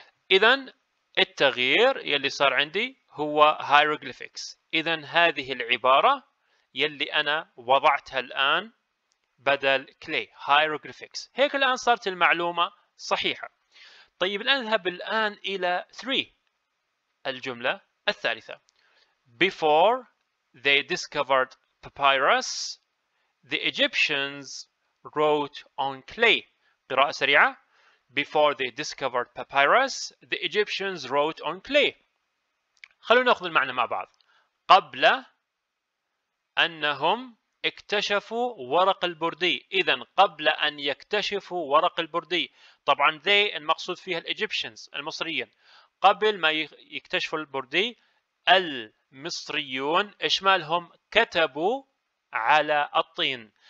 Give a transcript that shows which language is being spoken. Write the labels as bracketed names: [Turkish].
[Arabic] اذا التغيير يلي صار عندي هو hieroglyphics. اذا هذه العباره يلي انا وضعتها الان بدل clay hieroglyphics. هيك الان صارت المعلومه صحيحه. طيب الان نذهب الان الى 3، الجمله الثالثه. [English] Before they discovered papyrus, the Egyptians wrote on clay. [Arabic] قراءة سريعة. [English] Before they discovered papyrus, the Egyptians wrote on clay. [Arabic] خلونا نأخذ المعنى مع بعض. قبل أنهم اكتشفوا ورق البردي. إذا قبل أن يكتشفوا ورق البردي. طبعا they المقصود فيها الإيجيبشنز المصريين. قبل ما يكتشفوا البردي المصريون إشمالهم كتبوا على الطين.